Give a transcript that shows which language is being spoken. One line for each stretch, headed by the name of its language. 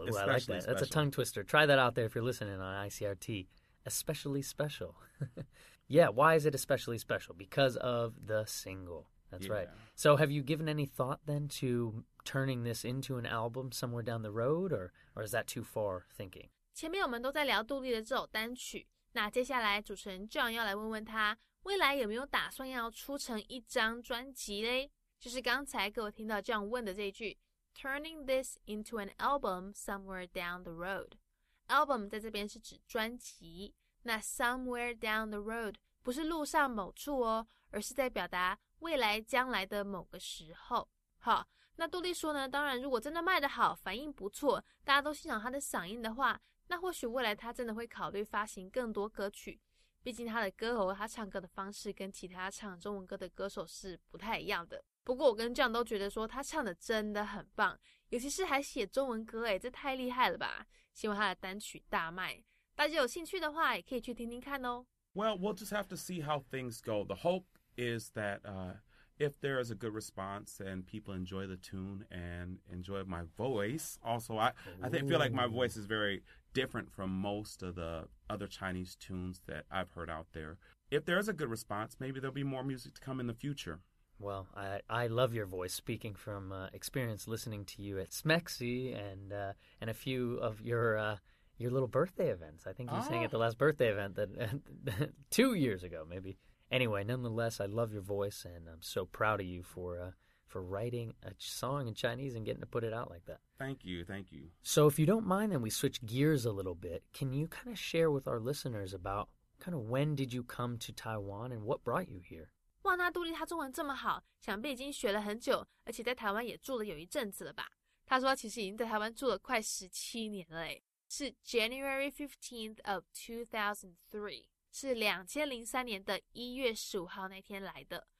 English: Ooh, especially I like that. Special. That's a tongue twister. Try that out there if you're listening on ICRT. Especially special. Yeah, why is it especially special? Because of the single. That's right. So have you given any thought then to turning this into an album somewhere down the road, or is that too far thinking?
Chinese: 前面我们都在聊杜丽的这首单曲，那接下来主持人 John 要来问问他未来有没有打算要出成一张专辑勒，就是刚才各位听到 John 问的这一句
English: turning this into an album somewhere down the road。
Chinese: Album 在这边是指专辑，那
English: somewhere down the road
Chinese: 不是路上某处哦，而是在表达未来将来的某个时候。好，那杜丽说呢，当然如果真的卖得好，反应不错，大家都欣赏她的嗓音的话，那或许未来她真的会考虑发行更多歌曲。毕竟她的歌喉，她唱歌的方式跟其他唱中文歌的歌手是不太一样的。不过我跟John都觉得说她唱的真的很棒，尤其是还写中文歌，这太厉害了吧。希望他的单曲大卖，大家有兴趣的话也可以去听听看哦。
English: Well, we'll just have to see how things go. The hope is that if there is a good response and people enjoy the tune and enjoy my voice. Also, I feel like my voice is very different from most of the other Chinese tunes that I've heard out there. If there is a good response, maybe there'll be more music to come in the future. Well, I love your voice, speaking from experience listening to you at SMEXI and a few of your little birthday events. I think you sang at the last birthday event that 2 years ago, maybe. Anyway, nonetheless, I love your voice, and I'm so proud of you for writing a song in Chinese and getting to put it out like that. Thank you. Thank you. So if you don't mind, then we switch gears a little bit. Can you kind of share with our listeners about kind of when did you come to Taiwan and what brought you here?
Chinese: 哇，那杜莉她中文这么好，想必已经学了很久，而且在台湾也住了有一阵子了吧？她说其实已经在台湾住了快17年了诶，是
English: January 15th of 2003，
Chinese: 是2003年的1月15号那天来的。